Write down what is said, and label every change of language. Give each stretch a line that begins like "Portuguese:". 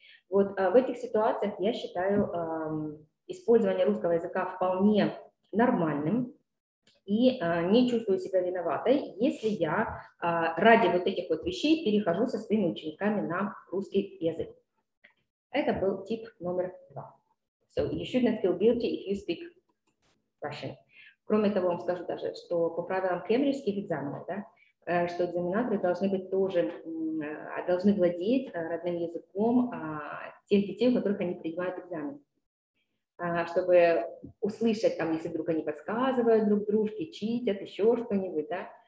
Russian: Вот в этих ситуациях я считаю использование русского языка вполне нормальным и не чувствую себя виноватой, если я ради вот этих вот вещей перехожу со своими учениками на русский язык. Это был тип номер 2.
English: So you should not feel guilty if you speak Russian.
Russian: Кроме того, вам скажу даже, что по правилам кембриджских экзаменов, да, что экзаменаторы должны быть тоже, должны владеть родным языком тех детей, у которых они принимают экзамен. Чтобы услышать, там, если вдруг они подсказывают друг дружке, читят, еще что-нибудь, да.